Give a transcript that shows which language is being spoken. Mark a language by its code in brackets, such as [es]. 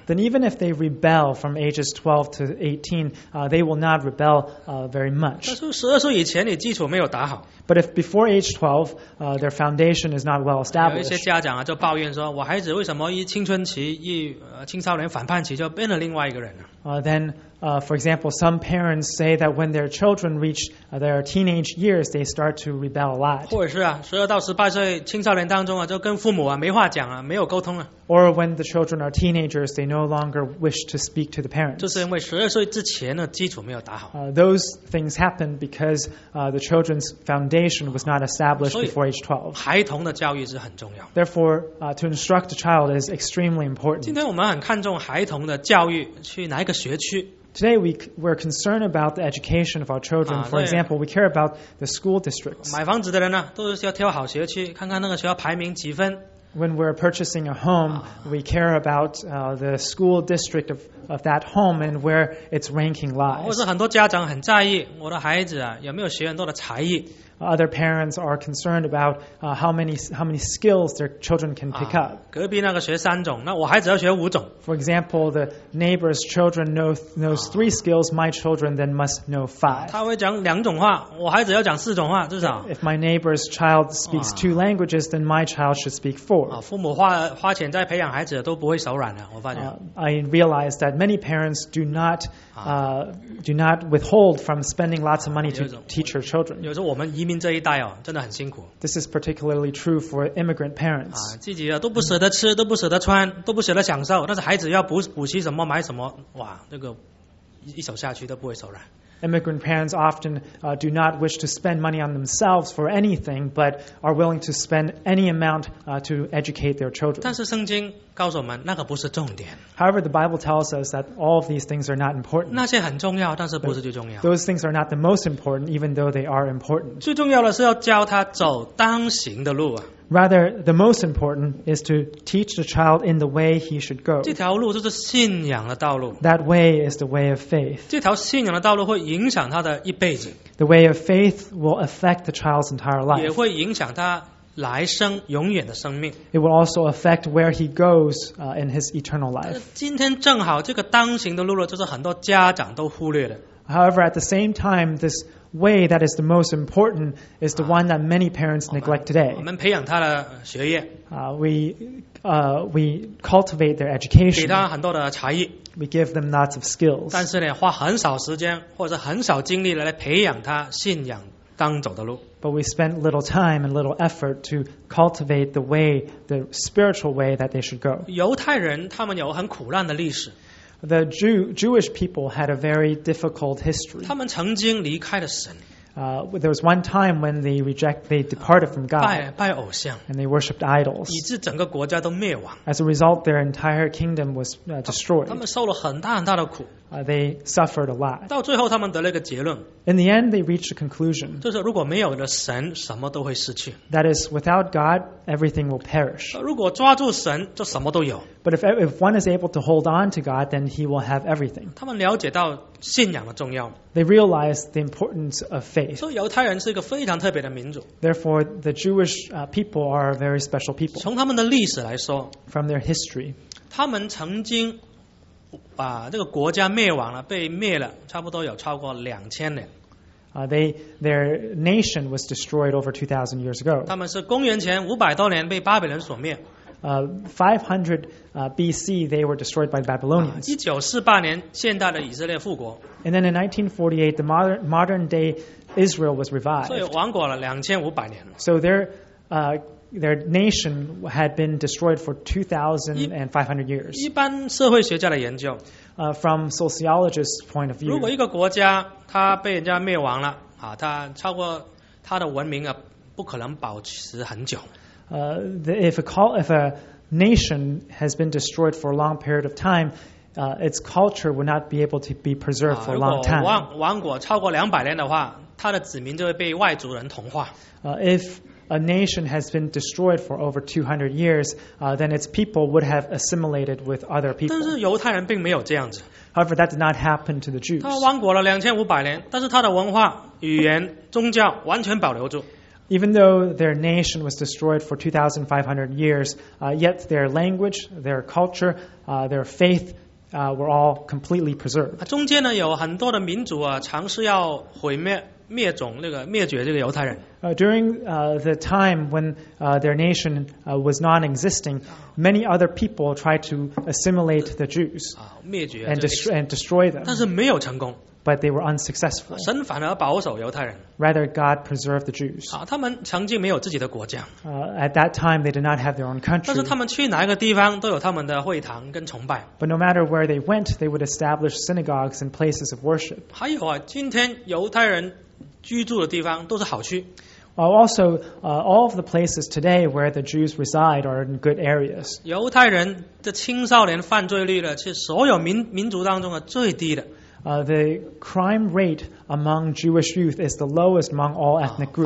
[en] Then even if they rebel from ages 12 to 18, they will not rebel very much. [zh] 但是十二岁以前你基础没有打好。 [en] But if before age 12, their foundation is not well established. [zh] 有一些家长啊，就抱怨说，我孩子为什么一青春期一青少年反叛期就变成另外一个人了。 [en] For example, some parents say that when their children reach their teenage years, they start to rebel a lot. [zh] 或者是啊，十二到十八岁青少年当中啊，就跟父母啊没话讲啊，没有沟通啊。 [en] Or when the children are teenagers, they no longer wish to speak to the parents. [zh] 就是因为十二岁之前的基础没有打好。 [en] Those things happen because the children's foundation was not established before age 12. [zh] 孩童的教育是很重要。 [en] Therefore, to instruct a child is extremely important. [zh] 今天我们很看重孩童的教育，去哪一个学区？ [en] Today we're concerned about the education of our children. For example, we care about the school districts. [zh] 买房子的人呢，都是要挑好学区，看看那个学校排名几分。 [en] When we're purchasing a home, we care about the school district of that home and where its ranking lies. [zh] 或是很多家长很在意我的孩子啊有没有学很多的才艺。 [en] Other parents are concerned about how many skills their children can pick up. [zh] 隔壁那个学三种，那我孩子要学五种。 [en] For example, the neighbor's children knows three skills. My children then must know five. [zh] 他会讲两种话，我孩子要讲四种话至少。 [en] If my neighbor's child speaks two languages, then my child should speak four. [zh] 父母花钱在培养孩子都不会手软的，我发觉。 [en] I realize that many parents do not withhold from spending lots of money to teach their children. [zh] 有时候我们移民民这一代哦，真的很辛苦。 [en] This is particularly true for immigrant parents. [zh] 啊，自己啊都不舍得吃，都不舍得穿，都不舍得享受，但是孩子要补习什么买什么，哇，那个一手下去都不会手软。 [en] Immigrant parents often do not wish to spend money on themselves for anything, but are willing to spend any amount to educate their children. [zh] 但是圣经告诉我们，那个不是重点。 [en] However, the Bible tells us that all of these things are not important. [zh] 那些很重要，但是不是最重要。 [en] Those things are not the most important, even though they are important. [zh] 最重要的是要教他走当行的路啊。 [en] Rather, the most important is to teach the child in the way he should go. [zh] 这条路就是信仰的道路。 [en] That way is the way of faith. [zh] 这条信仰的道路会影响他的一辈子。 [en] The way of faith will affect the child's entire life. [zh] 也会影响他来生永远的生命。 [en] It will also affect where he goes in his eternal life. [zh] 今天正好这个当行的路就是很多家长都忽略的。 [en] However, at the same time, this way that is the most important is the one that many parents neglect today. [zh] 我们培养他的学业。 [en] We cultivate their education. [zh] 给他很多的才艺。 [en] We give them lots of skills. [zh] 但是呢，花很少时间或者很少精力来培养他信仰当走的路。 [en] But we spend little time and little effort to cultivate the way, the spiritual way that they should go. [zh] 犹太人他们有很苦难的历史。 [en] The Jewish people had a very difficult history. [zh] 他们曾经离开了神。 [en] There was one time when they departed from God. [zh] 拜偶像。 [en] And they worshipped idols. [zh] 以致整个国家都灭亡。 [en] As a result, their entire kingdom was destroyed. [zh] 他们受了很大很大的苦。 [en] They suffered a lot. [zh] 到最后他们得了一个结论。 [en] In the end, they reached a conclusion. [zh] 就是如果没有了神，什么都会失去。 [en] That is, without God, everything will perish. [zh] 如果抓住神，就什么都有。 [en] But if one is able to hold on to God, then he will have everything. [zh] 他们了解到信仰的重要。 [en] They realized the importance of faith. [zh] 所以犹太人是一个非常特别的民族。 [en] Therefore, the Jewish people are very special people. [zh] 从他们的历史来说， [en] from their history, [zh] 他们曾经把这个国家灭亡了，被灭了，差不多有超过2000年。 [en] Their nation was destroyed over 2,000 years ago. [zh] 他们是公元前500多年被巴比伦所灭。 [en] 500 BC, they were destroyed by the Babylonians. [zh] 1948年，现代的以色列复国。 [en] And then in 1948, the modern day Israel was revived. [zh] 所以亡国了2500年。 [en] So their nation had been destroyed for 2,500 years. [zh] 一般社会学家的研究， [en] from sociologists' point of view, [zh] 如果一个国家它被人家灭亡了，它超过它的文明不可能保持很久。 [en] If a nation has been destroyed for a long period of time, its culture would not be able to be preserved for a long time. [zh] 王国超过200年的话，它的子民就会被外族人同化。 [en] If a nation has been destroyed for over 200 years, then its people would have assimilated with other people. [zh] 但是犹太人并没有这样子。 [en] However, that did not happen to the Jews. [zh] 他亡国了2500年，但是他的文化、语言、宗教完全保留住。 [en] Even though their nation was destroyed for 2,500 years, yet their language, their culture, their faith, were all completely preserved. [zh] 中间呢有很多的民族啊，尝试要毁灭。灭种那个灭绝这个犹太人。 [en] During the time when their nation was non-existing, many other people tried to assimilate the Jews. [zh] 灭绝。 [en] And destroy them. [zh] 但是没有成功。 [en] But they were unsuccessful. [zh] 神反而保守犹太人。 [en] Rather, God preserved the Jews. [zh] 他们曾经没有自己的国家。 [en] At that time, they did not have their own country. [zh] 但是他们去哪一个地方都有他们的会堂跟崇拜。 [en] But no matter where they went, they would establish synagogues and places of worship. [zh] 还有啊，今天犹太人居住的地方都是好区。 [en] Also, all of the places today where the Jews reside are in good areas. [zh] 犹太人的青少年犯罪率呢，是所有民族当中的最低的。 [en] The crime rate among Jewish youth is the lowest among all ethnic groups.